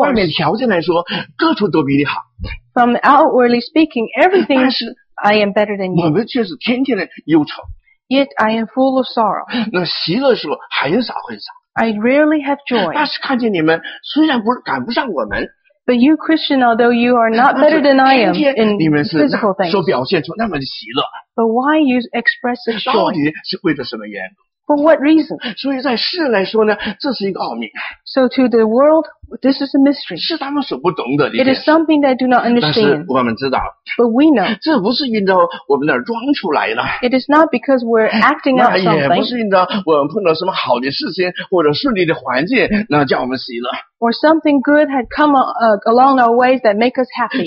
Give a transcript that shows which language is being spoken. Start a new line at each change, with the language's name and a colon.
Chinese: 从外面条件来说，各处都比你好。
English: From outwardly speaking, everything I am better than you.
Chinese: 我们却是天天的忧愁。
English: Yet I am full of sorrow.
Chinese: 那喜乐的时候很少很少。
English: I rarely have joy.
Chinese: 但是看见你们虽然不赶不上我们
English: ，But you Christian, although you are not better than I am in physical things,
Chinese: 所表现出那么的喜乐
English: ，But why you express such joy?
Chinese: 到底是为了什么缘故
English: For what reason?
Chinese: 所以在世人来说呢，这是一个奥秘。
English: So to the world, this is a mystery.
Chinese: 是他们所不懂的。
English: It is something they do not understand.
Chinese: 但是我们知道。
English: But we know.
Chinese: 这不是因着我们那儿装出来的。
English: It is not because we're acting out something.
Chinese: 那也不是因着我们碰到什么好的事情或者顺利的环境，那叫我们喜乐。
English: Or something good had come along our ways that make us happy.